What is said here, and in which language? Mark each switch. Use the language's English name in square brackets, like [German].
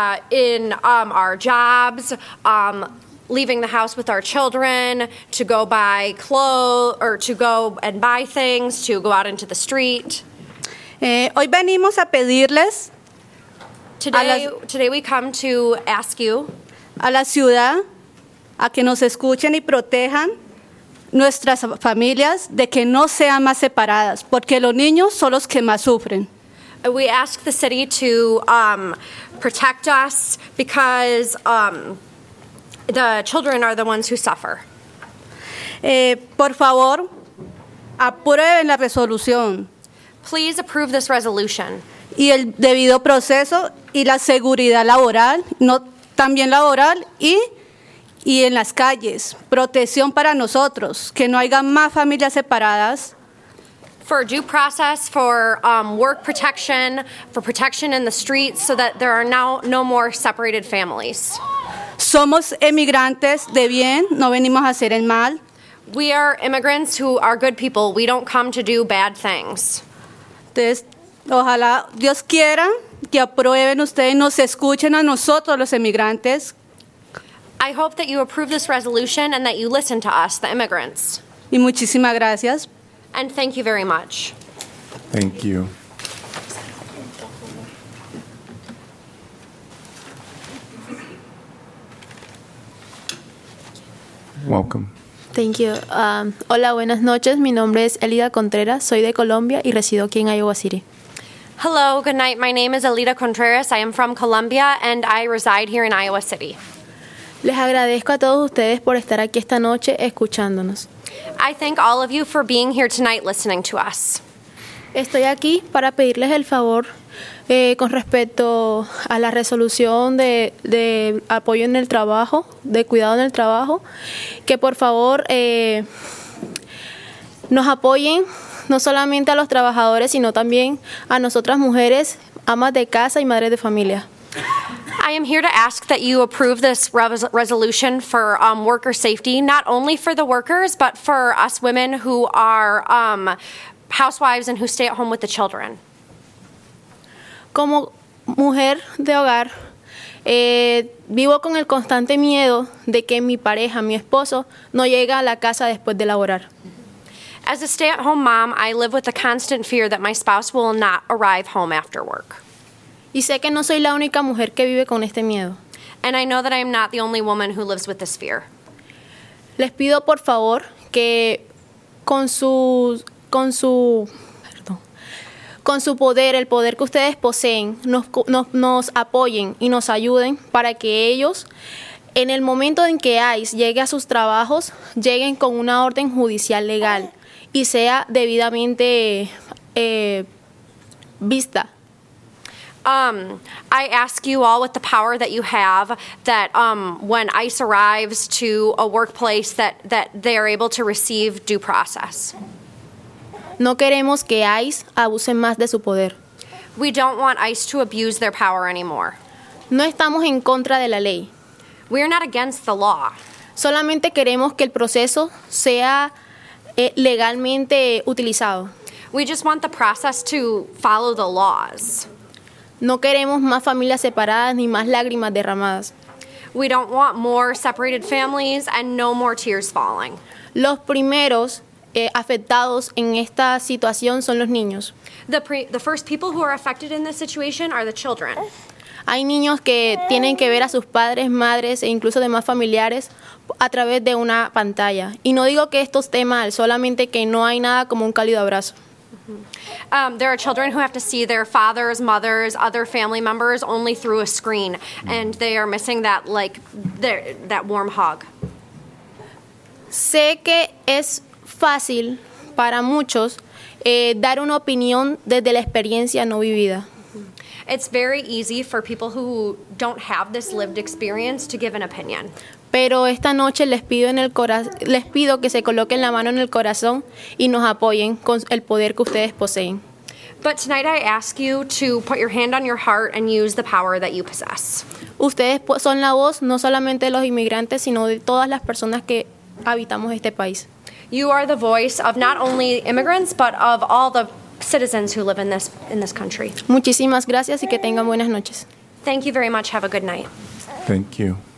[English] In our jobs, leaving the house with our children, to go buy clothes, or to go and buy things, to go out into the street. [Spanish] Hoy venimos a pedirles. [English] Today we come to ask you. [Spanish] A la ciudad, a que nos escuchen y protejan nuestras familias de que no sean más separadas, porque los niños son los que más sufren. [English] We ask the city to protect us because the children are the ones who suffer. [Spanish] Por favor, aprueben la resolución. [English] Please approve this resolution. [Spanish] Y el debido proceso y la seguridad laboral, no también laboral y en las calles, protección para nosotros, que no haya más familias separadas. [English] For due process, for work protection, for protection in the streets, so that there are now no more separated families. [Spanish] Somos emigrantes de bien, no venimos a hacer el mal. [English] We are immigrants who are good people. We don't come to do bad things. [Spanish] Entonces, ojalá Dios quiera que aprueben ustedes, nos escuchen a nosotros los emigrantes. [English] I hope that you approve this resolution and that you listen to us, the immigrants. [Spanish] Y muchísimas gracias. [English] And thank you very much. Thank you. Welcome. Thank you. [Spanish] Hola, buenas noches. Mi nombre es Elida Contreras. Soy de Colombia y resido aquí en Iowa City. [English] Hello, good night. My name is Elida Contreras. I am from Colombia and I reside here in Iowa City. [Spanish] Les agradezco a todos ustedes por estar aquí esta noche escuchándonos. [English] I thank all of you for being here tonight listening to us. [Spanish] Estoy aquí para pedirles el favor con respecto a la resolución de apoyo en el trabajo, de cuidado en el trabajo, que por favor nos apoyen no solamente a los trabajadores, sino también a nosotras mujeres, amas de casa y madres de familia. [English] I am here to ask that you approve this resolution for worker safety, not only for the workers, but for us women who are housewives and who stay at home with the children. [Spanish] Como mujer de hogar, vivo con el constante miedo de que mi pareja, mi esposo, no llega a la casa después de laborar. [English] As a stay-at-home mom, I live with the constant fear that my spouse will not arrive home after work. [Spanish] Y sé que no soy la única mujer que vive con este miedo. [English] And I know that I am not the only woman who lives with this fear. [Spanish] Les pido por favor que con su poder, el poder que ustedes poseen, nos apoyen y nos ayuden para que ellos, en el momento en que ICE llegue a sus trabajos, lleguen con una orden judicial legal y sea debidamente vista. [English] I ask you all with the power that you have that when ICE arrives to a workplace that they are able to receive due process. [Spanish] No queremos que ICE abuse más de su poder. [English] We don't want ICE to abuse their power anymore. [Spanish] No estamos en contra de la ley. [English] We are not against the law. [Spanish] Solamente queremos que el proceso sea legalmente utilizado. [English] We just want the process to follow the laws. [Spanish] No queremos más familias separadas ni más lágrimas derramadas. [English] We don't want more separated families and no more tears falling. [Spanish] Los primeros afectados en esta situación son los niños. [English] The first people who are affected in this situation are the children. [Spanish] Hay niños que tienen que ver a sus padres, madres e incluso demás familiares a través de una pantalla. Y no digo que esto esté mal, solamente que no hay nada como un cálido abrazo. [English] There are children who have to see their fathers, mothers, other family members only through a screen, and they are missing that, like, that warm hug. [Spanish] Sé que es fácil para muchos dar una opinión desde la experiencia no vivida. [English] It's very easy for people who don't have this lived experience to give an opinion. [Spanish] Pero esta noche les pido que se coloquen la mano en el corazón y nos apoyen con el poder que ustedes poseen. [English] But tonight I ask you to put your hand on your heart and use the power that you possess. [Spanish] Ustedes son la voz no solamente de los inmigrantes, sino de todas las personas que habitamos este país. [English] You are the voice of not only immigrants but of all the citizens who live in this country. [Spanish] Muchísimas gracias y que tengan buenas noches. [English] Thank you very much. Have a good night. Thank you.